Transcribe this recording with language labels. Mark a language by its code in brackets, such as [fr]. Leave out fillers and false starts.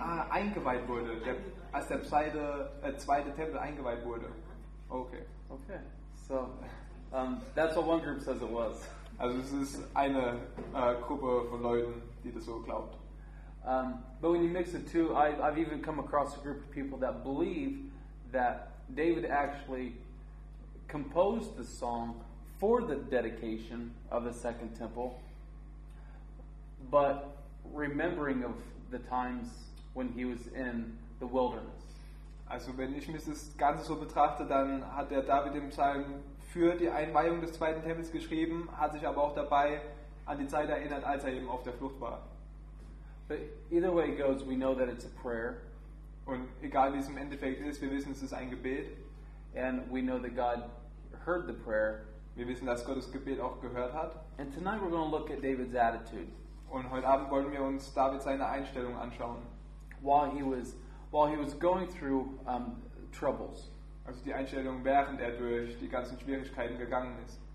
[de] Eingeweiht wurde. Als der zweite Tempel eingeweiht wurde. Okay. Okay. [en] So, that's what one group says it was. [de] Also es ist eine Gruppe von Leuten, die das so glaubt. [en] But when you mix the two, I've even come across a group of people that believe that David actually composed the song for the dedication of the Second Temple, but remembering of the times when he was in the wilderness. [de] Also wenn ich mir das Ganze so betrachte, dann hat der David im Psalm für die Einweihung des zweiten Tempels geschrieben, hat sich aber auch dabei an die Zeit erinnert, als er eben auf der Flucht war. [en] But either way it goes, we know that it's a prayer. [de] Und egal wie es im Endeffekt ist, wir wissen, es ist ein Gebet. [en] And we know that God heard the prayer. [de] Wir wissen, dass Gott das Gebet auch gehört hat. [en] And tonight we're going to look at David's attitude. [de] Und heute Abend wollen wir uns David seine Einstellung anschauen. [en] While he was going through troubles. [de] Also die Einstellung, während er durch die ganzen Schwierigkeiten gegangen ist.